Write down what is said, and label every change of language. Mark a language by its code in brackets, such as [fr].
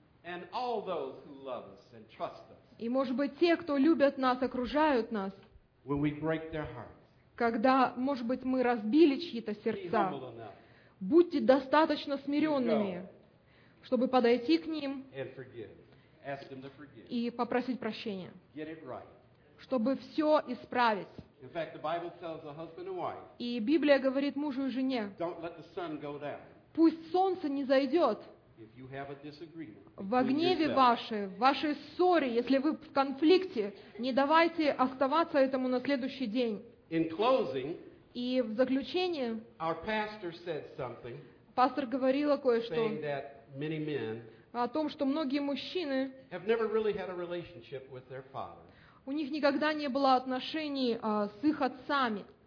[en] and all those who love us and trust us. [ru] И, может быть, те, кто любят нас, окружают нас. [en] When we break their hearts. [ru] Когда, может быть, мы разбили чьи-то сердца. Будьте достаточно смиренными, чтобы подойти к ним [en] and forgive. Ask them to forgive. [ru] И попросить прощения. [en] Get it right. [ru] Чтобы все исправить. [en] In fact, the Bible tells the husband and wife. [ru] И Библия говорит мужу и жене. [en] Don't let the sun go down. [ru] Пусть солнце не зайдет. [en] If you have a disagreement, [ru] во гневе вашей, в вашей ссоре, если вы в конфликте, не давайте оставаться этому на следующий день. [en] In closing, [ru] и в заключение, [en] our pastor said something, [ru] пастор говорил кое-что [en] saying that many men, [ru] о том, что многие мужчины [en] have never really had a relationship with their father. [ru] У них никогда не было отношений с их отцами.